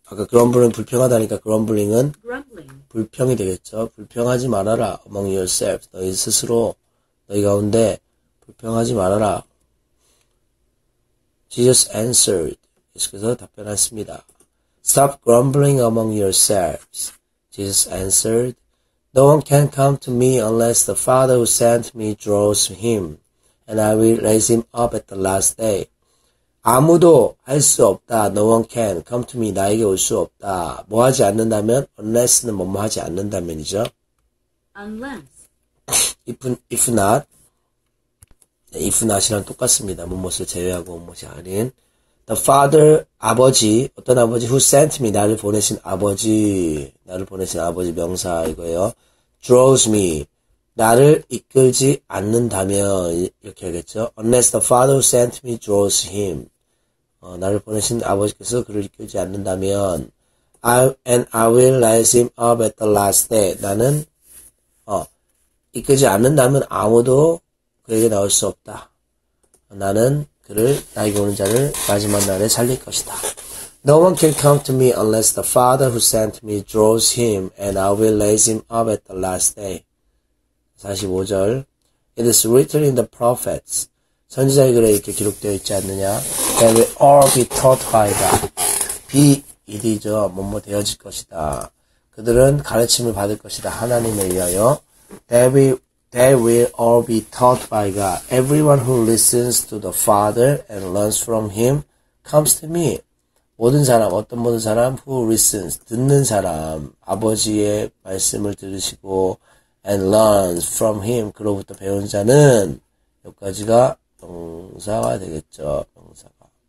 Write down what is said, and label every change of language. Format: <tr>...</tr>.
<ko>아까 grumbling은 불평하다니까 grumbling은 불평이 되겠죠. 불평하지 말아라</ko> <en>among yourselves.</en> <ko>너희 스스로 너희 가운데 불평하지 말아라.</ko> <en>Jesus answered.</en> <ko>예수께서 답변하십니다.</ko> <en>Stop grumbling among yourselves. Jesus answered. No one can come to me unless the Father who sent me draws him, and I will raise him up at the last day.</en> <ko>아무도 할 수 없다.</ko> <en>No one can come to me.</en> <ko>나에게 올 수 없다. 뭐 하지 않는다면? Unless는 뭐 하지 않는다면이죠.</ko> <en>Unless. If not. If not이랑 똑같습니다.</en> <ko>뭣을 제외하고 뭣이 아닌.</ko> <en>The father,</en> <ko>아버지, 어떤 아버지,</ko> <en>who sent me,</en> <ko>나를 보내신 아버지 명사 이거예요.</ko> <en>draws me,</en> <ko>나를 이끌지 않는다면, 이렇게 하겠죠.</ko> <en>unless the father who sent me draws him,</en> <ko>나를 보내신 아버지께서 그를 이끌지 않는다면,</ko> <en>I will rise him up at the last day,</en> <ko>나는, 이끌지 않는다면 아무도 그에게 나올 수 없다. 나는, 그를 나에게 오는 자를 마지막 날에 살릴 것이다.</ko> <en>No one can come to me unless the Father who sent me draws him, and I will raise him up at the last day. 45절. It is written in the prophets.</en> <ko>선지자의 글에 이렇게 기록되어 있지 않느냐?</ko> <en>They will all be taught by God. Be 이디죠.</en> <ko>뭐뭐 되어질 것이다. 그들은 가르침을 받을 것이다. 하나님에 의하여.</ko> <en>They will all be taught by God. Everyone who listens to the Father and learns from Him comes to me.</en> <ko>모든 사람</ko> <en>who listens,</en> <ko>듣는 사람, 아버지의 말씀을 들으시고</ko> <en>and learns from Him,</en> <ko>그로부터 배운 자는 여기까지가 명사가 되겠죠. 명사가.</ko>